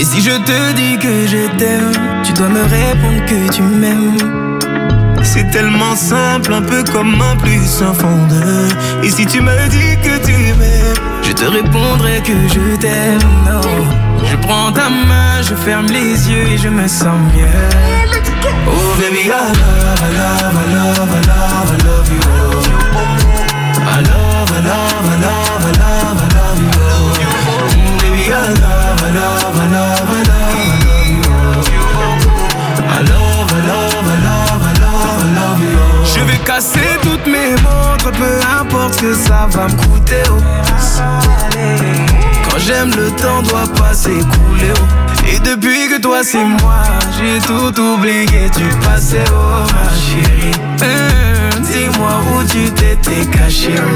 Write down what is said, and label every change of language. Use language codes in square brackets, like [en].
[fr] Et si je te dis que je t'aime, tu dois me répondre que tu m'aimes. C'est tellement simple, un peu comme un plus un fond de. Et si tu me dis que tu m'aimes, je te répondrai que je t'aime. Oh. Je prends ta main, je ferme les yeux et je me sens bien. [en] Oh baby, I love, I love, I love, I love, I love you. Oh. I love, I love, I love, I love, I love, I love you. Oh. Baby, I love, I love, I love, I love, I love you. Oh. I love, I love, I love, I love, I love you. Oh. [fr] Je vais casser toutes mes montres, peu importe que ça va me coûter. Oh. Quand j'aime, le temps doit pas s'écouler. Oh. Et depuis que toi c'est moi, j'ai tout oublié du passé. Oh ma chérie, dis-moi où tu t'étais caché.